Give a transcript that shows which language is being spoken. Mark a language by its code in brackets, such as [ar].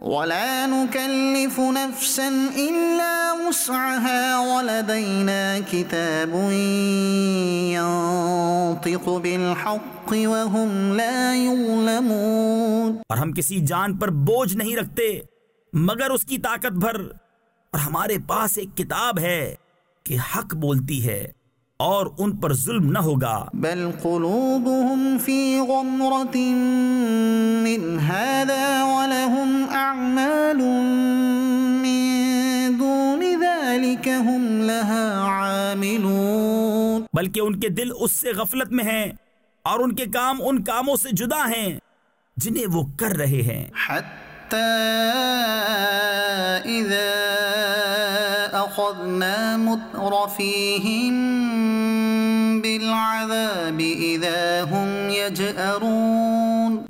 [ar] ولا نکلف نفسا الا وسعها ولدینا کتاب ینطق بالحق وهم لا يظلمون [ur] اور ہم کسی جان پر بوجھ نہیں رکھتے مگر اس کی طاقت بھر, اور ہمارے پاس ایک کتاب ہے کہ حق بولتی ہے اور ان پر ظلم نہ ہوگا. [ar] بل قلوبهم في غمرة من هذا ولهم اعمال من دون ذلك هم لها عاملون [ur] بلکہ ان کے دل اس سے غفلت میں ہیں اور ان کے کام ان کاموں سے جدا ہیں جنہیں وہ کر رہے ہیں. [ar] حتی اذا اخذنا مترفیہم بالعذاب اذا ہم یجأرون